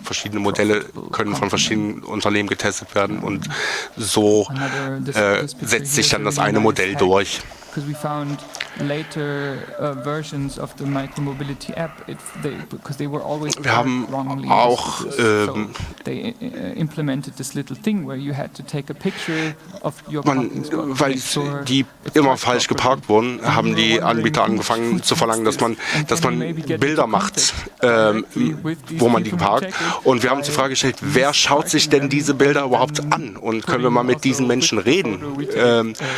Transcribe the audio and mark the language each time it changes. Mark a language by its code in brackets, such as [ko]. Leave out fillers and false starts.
[de] Verschiedene Modelle können von verschiedenen Unternehmen getestet werden und so setzt sich dann das eine Modell durch. [en] Because we found later versions of the micromobility app, because they were always wrongly used. So they implemented this little thing where you had to take a picture of your parking spot. [de] Weil die immer falsch geparkt wurden, haben die Anbieter angefangen zu verlangen, dass man Bilder macht, wo man die parkt. Und wir haben uns die Frage gestellt, wer schaut sich denn diese Bilder überhaupt an? Und können wir mal mit diesen Menschen reden?